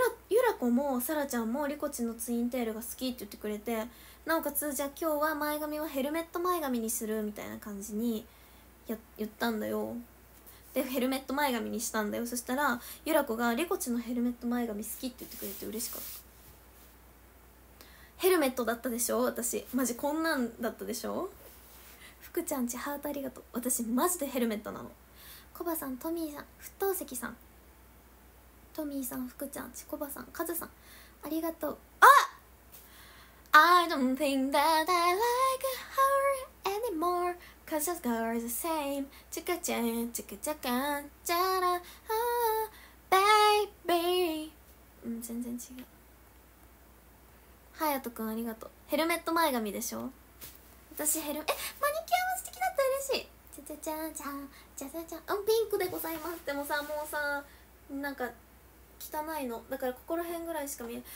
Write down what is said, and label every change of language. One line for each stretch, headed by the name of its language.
Japanese: ゆらこもさらちゃんもリコチのツインテールが好きって言ってくれてなおかつじゃあ今日は前髪はヘルメット前髪にするみたいな感じに言ったんだよでヘルメット前髪にしたんだよそしたらゆらこがリコチのヘルメット前髪好きって言ってくれて嬉しかったヘルメットだったでしょ、私マジこんなんだったでしょ。福ちゃんちハートありがとう。私マジでヘルメットなの。コバさん、トミーさん、沸騰石さん、トミーさん、福ちゃんち、コバさん、カズさん、ありがとう。
English: あ I don't think that I like her anymore cause this girl is the same チカチャンチカチャカンチャラハーベイビー。
Japanese: うん、全然違う。ハヤトくんありがとう。ヘルメット前髪でしょ。私ヘルメ、マニキュアも素敵だった、嬉しい。チャチャチャチャチャ、ピンクでございます。でもさ、もうさ、なんか汚いのだからここら辺ぐらいしか見えない。